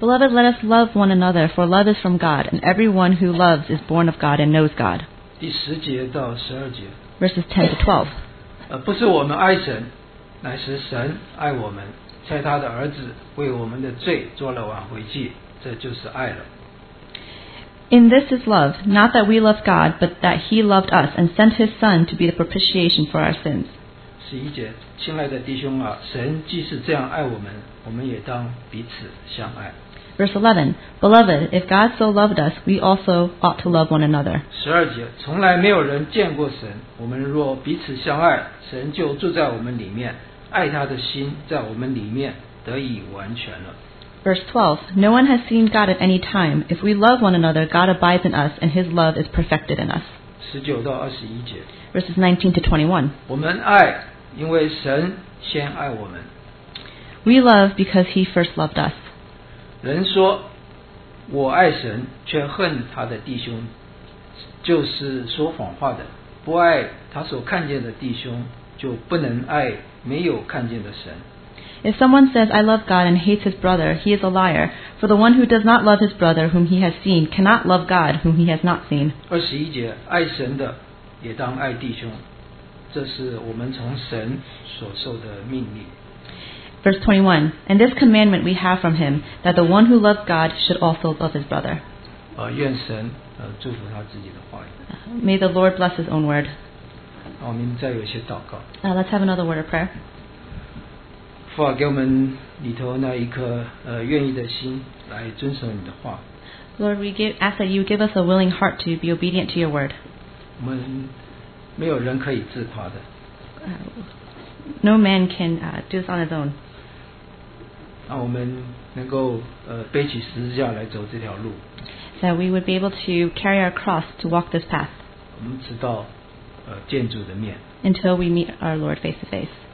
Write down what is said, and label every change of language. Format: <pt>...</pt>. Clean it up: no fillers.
<en>let us love one another, for love is from God, and everyone who loves is born of God and knows God.</en> <zh>第10节到12节.</zh> <en>Verses 10 to 12.</en> <zh>不是我们爱神，乃是神爱我们，差他的儿子为我们的罪做了挽回祭，这就是爱了。</zh> <en>In this is love, not that we love God, but that He loved us and sent His Son to be the propitiation for our sins.</en> <zh>11节，亲爱的弟兄啊，神既是这样爱我们，我们也当彼此相爱。</zh> <en>Verse 11, Beloved, if God so loved us, we also ought to love one another.</en> <zh>12节，从来没有人见过神，我们若彼此相爱，神就住在我们里面，爱他的心在我们里面。得以完全了。</zh> <en>Verse 12, no one has seen God at any time. If we love one another, God abides in us, and His love is perfected in us. 19-21 Verses 19-21</en> <zh>我们爱，因为神先爱我们。</zh> <en>We love because He first loved us.</en> <zh>人说，我爱神，却恨他的弟兄，就是说谎话的。不爱他所看见的弟兄，就不能爱没有看见的神。</zh> <en>If someone says, I love God and hates his brother, he is a liar. For the one who does not love his brother whom he has seen cannot love God whom he has not seen.</en> <zh>21节，爱神的也当爱弟兄，这是我们从神所受的命令。</zh> <en>Verse 21, and this commandment we have from him, that the one who loves God should also love his brother.</en> <zh>愿神祝福他自己的话语。</zh> <en>May the Lord bless his own word.</en> <zh>我们再有一些祷告。</zh> <en>Let's have another word of prayer.</en> <zh>父啊，给我们里头那一颗愿意的心来遵守你的话。</zh> <en>Lord, we ask that you give us a willing heart to be obedient to your word.</en> <zh>我们没有人可以自夸的。</zh> <en>No man can do this on his own.</en> <zh>让我们能够背起十字架来走这条路。</zh> <en>That we would be able to carry our cross to walk this path.</en> <zh>我们直到见主的面。</zh> <en>Until we meet our Lord face to face.</en>